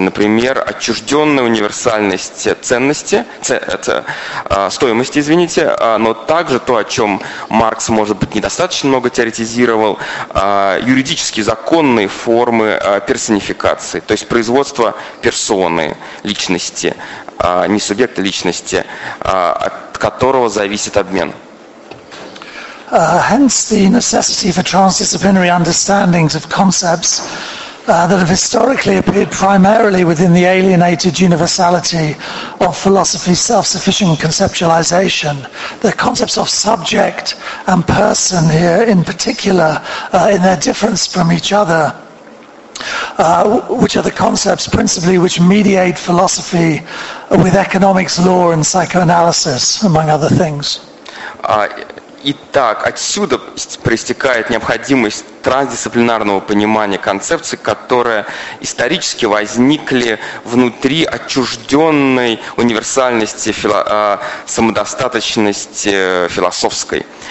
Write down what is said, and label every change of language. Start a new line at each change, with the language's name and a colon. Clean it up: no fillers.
Russian: Например, отчужденная универсальность стоимости, но также то, о чем Маркс, может быть, недостаточно много теоретизировал, юридически законные формы персонификации, то есть производство персоны, личности, не субъекта личности, от которого зависит обмен.
English: Hence the necessity for transdisciplinary understandings of concepts that have historically appeared primarily within the alienated universality of philosophy's self-sufficient conceptualization. The concepts of subject and person here in particular, in their difference from each other, which are the concepts principally which mediate philosophy with economics, law, and psychoanalysis, among other things.
Russian: Итак, отсюда проистекает необходимость трансдисциплинарного понимания концепций, которые исторически возникли внутри отчужденной универсальности, самодостаточности философской.